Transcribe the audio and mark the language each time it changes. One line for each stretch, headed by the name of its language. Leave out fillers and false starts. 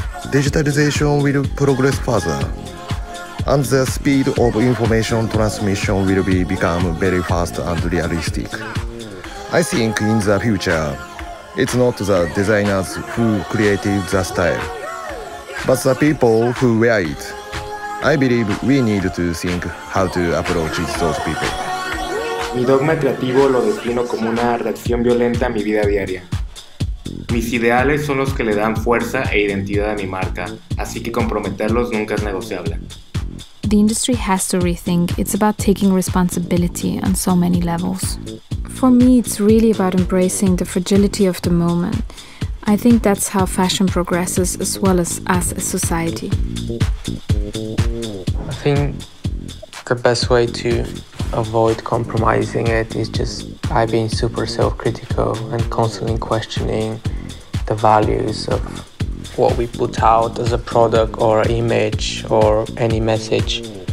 English: Digitalization will progress further, and the speed of information transmission will become very fast and realistic. I think in the future, it's not the designers who created the style, but the people who wear it. I believe we need to think how to approach those people.
Spanish: Mi dogma creativo lo defino como una reacción violenta a mi vida diaria. Mis ideales son los que le dan fuerza e identidad a mi marca, así que comprometerlos nunca es negociable.
English: The industry has to rethink. It's about taking responsibility on so many levels. For me, it's really about embracing the fragility of the moment. I think that's how fashion progresses as well as us as society. I think the best way to avoid compromising it is just by being super self-critical and constantly questioning the values of what we put out as a product or image or any message.